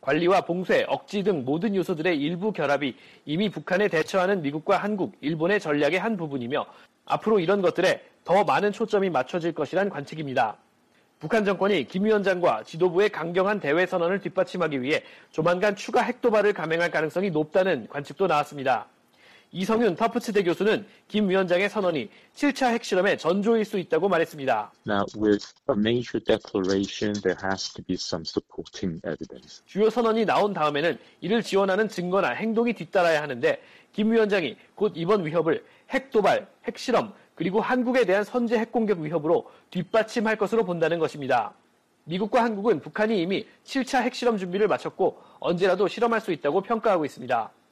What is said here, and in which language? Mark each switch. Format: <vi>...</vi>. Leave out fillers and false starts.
<ko>관리와 봉쇄, 억지 등 모든 요소들의 일부 결합이 이미 북한에 대처하는 미국과 한국, 일본의 전략의 한 부분이며 앞으로 이런 것들에 더 많은 초점이 맞춰질 것이란 관측입니다. 북한 정권이 김 위원장과 지도부의 강경한 대외 선언을 뒷받침하기 위해 조만간 추가 핵 도발을 감행할 가능성이 높다는 관측도 나왔습니다. 이성윤 터프츠대 교수는 김 위원장의 선언이 7차 핵실험의 전조일 수 있다고 말했습니다.</ko> <en>Now with a major declaration, there has to be some supporting evidence.</en> <ko>주요 선언이 나온 다음에는 이를 지원하는 증거나 행동이 뒤따라야 하는데 김 위원장이 곧 이번 위협을 핵 도발, 핵실험, 그리고 한국에 대한 선제 핵공격 위협으로 뒷받침할 것으로 본다는 것입니다. 미국과 한국은 북한이 이미 7차 핵실험 준비를 마쳤고 언제라도 실험할 수 있다고 평가하고 있습니다.</ko>